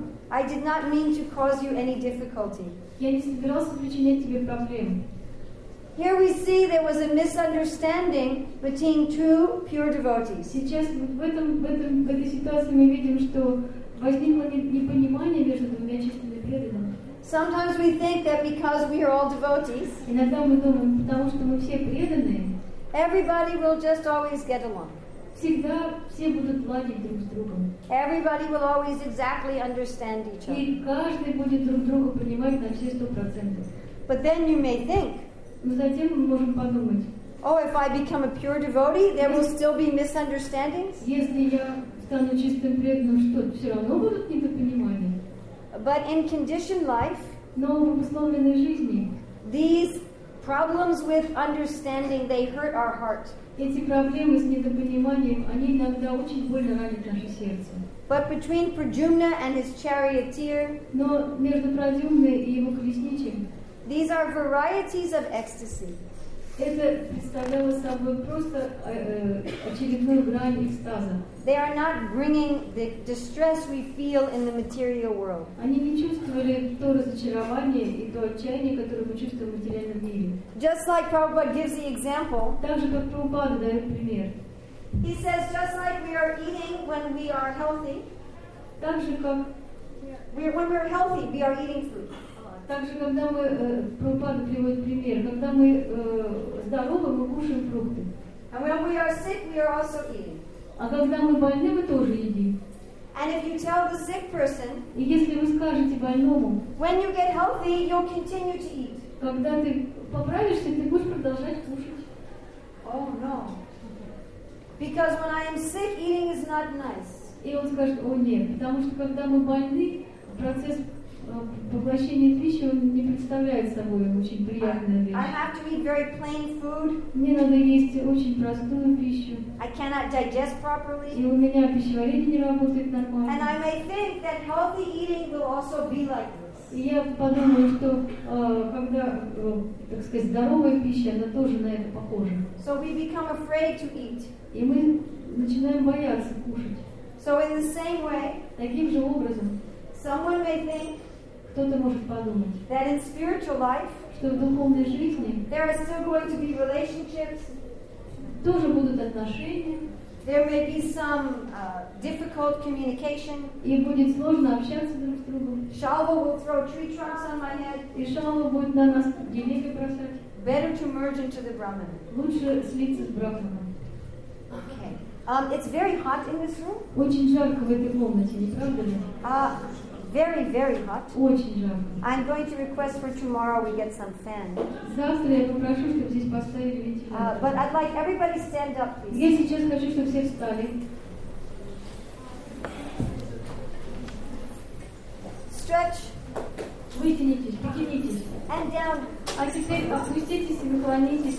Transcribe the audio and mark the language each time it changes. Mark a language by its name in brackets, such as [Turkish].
[English] I did not mean to cause you any difficulty. [Russian] Я не собирался причинять тебе проблем. [English] Here we see there was a misunderstanding between two pure devotees. [Russian] Сейчас в этой ситуации мы видим, что возникло непонимание между двумя чистыми преданными. [English] Sometimes we think that because we are all devotees, [Russian] иногда мы думаем, потому что мы все преданные, [English] everybody will just always get along. [Russian] Всегда все будут ладить друг с другом. [English] Everybody will always exactly understand each other. [Russian] И каждый будет друг друга понимать на все 100%. [English] But then you may think. [Russian] Но затем мы можем подумать. [English] Oh, if I become a pure devotee, there will still be misunderstandings. [Russian] Если я стану чистым преданным, что все равно будут недопонимания. [English] But in conditioned life. [Russian] Но в обусловленной жизни. [English] These problems with understanding, they hurt our heart. [Russian] Эти проблемы с недопониманием, они иногда очень больно ранят наше сердце. [English] But between Prajumna and his charioteer, [Russian] но между Прадюмной и его колесничем, [English] these are varieties of ecstasy. [Russian] Это представляло собой просто очередную грань экстаза. [English] They are not bringing the distress we feel in the material world. [Russian] Они не чувствовали то разочарование и то отчаяние, которое мы чувствуем в материальном мире. [English] Just like Prabhupada gives the example. [Russian] Так же, как Прабхупада дает пример. [English] He says, just like we are eating when we are healthy. [Russian] Так же, как [English] when we are healthy, we are eating food. [Russian] Так же, когда мы Прабхупада приводит пример, когда мы здоровы, мы кушаем фрукты. [English] And when we are sick, we are also eating. [Russian] А когда мы больны, мы тоже едим. [English] And if you tell the sick person, [Russian] и если вы скажете больному, [English] when you get healthy, you'll continue to eat. [Russian] Когда ты поправишься, ты будешь продолжать кушать. [English] Oh no. Because when I am sick, eating is not nice. [Russian] И он скажет, о нет, потому что когда мы больны, процесс поглощения пищи он не представляет собой очень приятную вещь. [English] I have to eat very plain food. [Russian] Мне надо есть очень простую пищу. [English] I cannot digest properly. [Russian] И у меня пищеварение не работает нормально. [English] And I may think that healthy eating will also be like this. [Russian] И я подумаю, что когда, так сказать, здоровая пища, она тоже на это похожа. [English] So we become afraid to eat. [Russian] И мы начинаем бояться кушать. [English] So in the same way. [Russian] Таким же образом. [English] Someone may think. [Russian] Кто-то может подумать, [English] that in spiritual life, [Russian] что в духовной жизни, [English] there are still going to be relationships, [Russian] тоже будут отношения, [English] there may be some difficult communication, [Russian] и будет сложно общаться друг с другом, [English] Shalva will throw tree trunks on my head, [Russian] и Шалва будет на нас деревья бросать, [English] better to merge into the Brahman, [Russian] лучше слиться с Брахманом. [English] Okay, it's very hot in this room. [Russian] Очень жарко в этой комнате, не правда ли? [English] Very, very hot. [Russian] Очень жарко. [English] I'm going to request for tomorrow we get some fan. [Russian] Завтра я попрошу, чтобы здесь поставили вентилятор. [English] But I'd like everybody stand up, please. [Russian] Я сейчас хочу, чтобы все встали. [English] Stretch. [Russian] Вытянитесь, потянитесь. [English] And down. [Russian] А теперь опуститесь и наклонитесь.